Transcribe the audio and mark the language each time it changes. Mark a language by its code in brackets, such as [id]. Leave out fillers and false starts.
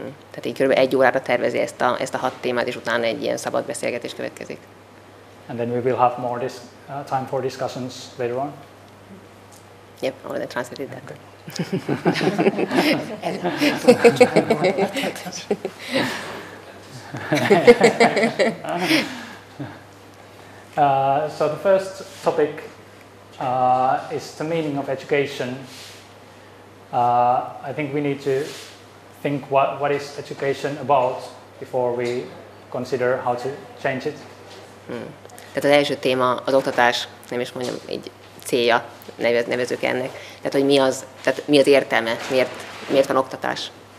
[hu] Tehát így körülbelül 1 órára tervezi ezt a 6 témát, és utána egy ilyen szabad beszélgetés következik. [en] And then we will have more time for discussions later on. Yep, I already translated that. So the first topic is the meaning of education. I think we need to think what is education about before we consider how to change it. [hu] Tehát az első téma az oktatás, nem is mondjam, egy célja, nevezzük ennek. Tehát hogy mi az értelme, miért van oktatás?